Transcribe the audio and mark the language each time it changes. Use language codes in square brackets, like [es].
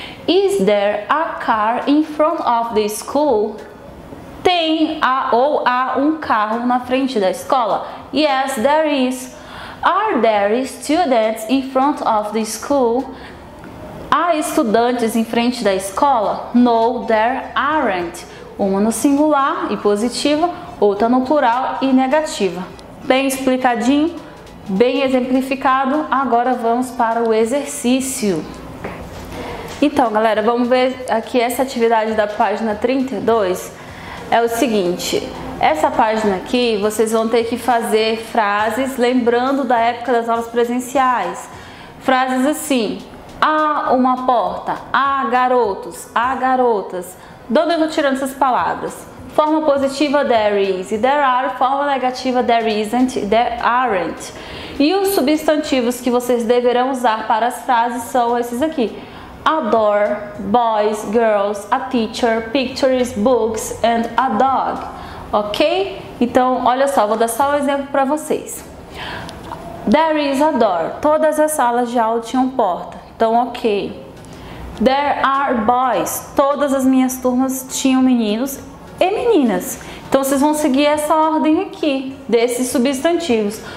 [en] Is there a car in front of the school? [pt] Tem há um carro na frente da escola? [en] Yes, there is. Are there students in front of the school? [pt] Há estudantes em frente da escola? [en] No, there aren't. [pt] Uma no singular e positiva, outra no plural e negativa. Bem explicadinho, bem exemplificado. Agora vamos para o exercício. Então, galera, vamos ver aqui essa atividade da página 32. É o seguinte. Essa página aqui, vocês vão ter que fazer frases lembrando da época das aulas presenciais. Frases assim: há uma porta, há garotos, há garotas. De onde eu tô tirando essas palavras? Forma positiva, [en] there is. There are. [pt] Forma negativa, [en] there isn't. There aren't. [pt] E os substantivos que vocês deverão usar para as frases são esses aqui. [en] Adore, boys, girls, a teacher, pictures, books, and a dog. Ok? [pt] Então, olha só, vou dar só um exemplo para vocês. [en] There is a door. [pt] Todas as salas de aula tinham porta. Então, ok. [en] There are boys. [pt] Todas as minhas turmas tinham meninos e meninas. Então, vocês vão seguir essa ordem aqui, desses substantivos.